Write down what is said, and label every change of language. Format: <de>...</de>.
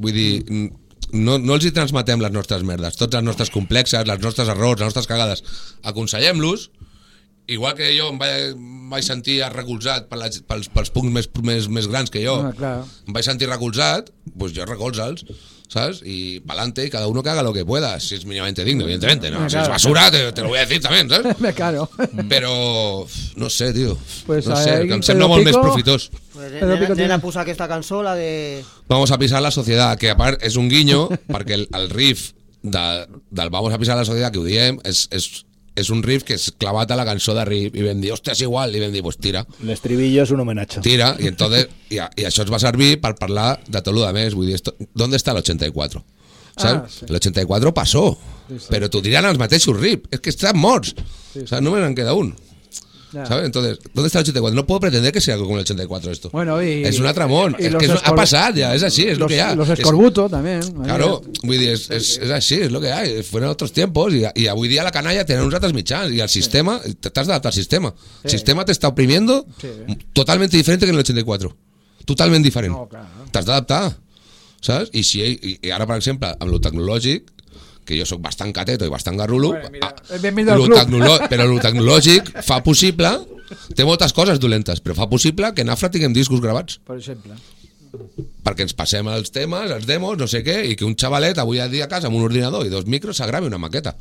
<ca>Vull dir, no els hi transmetem les nostres merdes, totes les nostres complexes, les nostres errors, les nostres cagades. Aconsellem-los, igual que jo em vaig sentir recolzat pels punts més grans que jo, em vaig sentir recolzat, doncs jo recolza'ls.</ca> <es>¿Sabes? Y pa'lante, cada uno que haga lo que pueda, si es mínimamente digno, evidentemente, ¿no? Si es basura, te lo voy a decir también, ¿sabes? Me caro. Pero, no sé, tío. Pues no sé,</es> <ca>que em sembla molt més profitós. Nena puso aquesta cançó, la de... Vamos a pisar la sociedad, que a part és un guiño, perquè el riff del Vamos a pisar la sociedad, que ho diem, és un riff que es clavat a la cançó de riff, i vam dir, hostia, és igual, i vam dir,</ca> <es>pues tira.</es> <ca>L'estribillo és un homenatge. Tira, i entonces... I això ens va servir per parlar de tot el que més. Vull dir, on està l'84? Sí. L'84 passó, sí, sí. Però t'ho diran els mateixos rip. És que estan morts, sí, sí. Només en queda un, ja.</ca> <es>Entonces, ¿dónde está el 84? No puedo pretender que sea como el 84 esto. Bueno, es un atramón. Es que ha pasado ya, es así, es lo que hay. Los escorbuto también. Claro, es así, es lo que hay. Fueron otros tiempos y hoy día la canalla tiene unos ratos mitjans. Y al sistema, te estás adaptando al sistema. El sistema te está oprimiendo totalmente diferente que en el 84.</es> <ca>Totalment diferent. No, clar, no. T'has d'adaptar, saps? I si i ara, per exemple, amb lo tecnològic, que jo sóc bastant cateto i bastant garrulo, però lo tecnològic fa possible, té moltes coses dolentes, però fa possible que en Afra tinguem discos gravats. Per exemple. Perquè ens passem els temes, els demos, no sé què, i que un xavalet avui a dia a casa amb un ordinador i dos micros s'agravi una maqueta.</ca>